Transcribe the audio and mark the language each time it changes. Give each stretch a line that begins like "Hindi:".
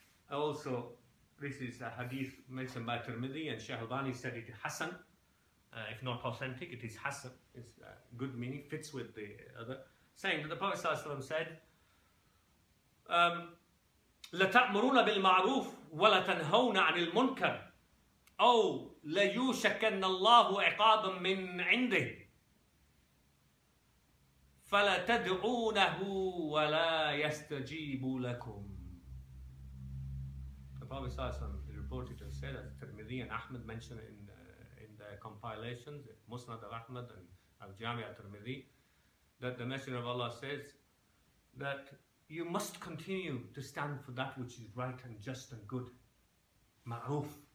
English: Also, this is a hadith mentioned by Tirmidhi, and Shaykh Albani said it is Hassan. If not authentic, it is Hassan. It's a good meaning, fits with the other. Saying that the Prophet ﷺ said,
Arabic: لَتَأْمُرُونَ بِالْمَعْرُوفِ وَلَتَنْهَوْنَ عَنِ الْمُنْكَرِ أَوْ لَيُوشَكَنَّ اللَّهُ عِقَابًا مِنْ عِنْدِهِ فَلَتَدْعُونَهُ وَلَا يَسْتَجِيبُ لَكُمْ.
English: The Prophet is reported to say that Tirmidhi and Ahmed mentioned it in the compilations, Musnad of Ahmed and of Jami'a Tirmidhi, that the Messenger of Allah says that you must continue to stand for that which is right and just and good. Ma'ruf.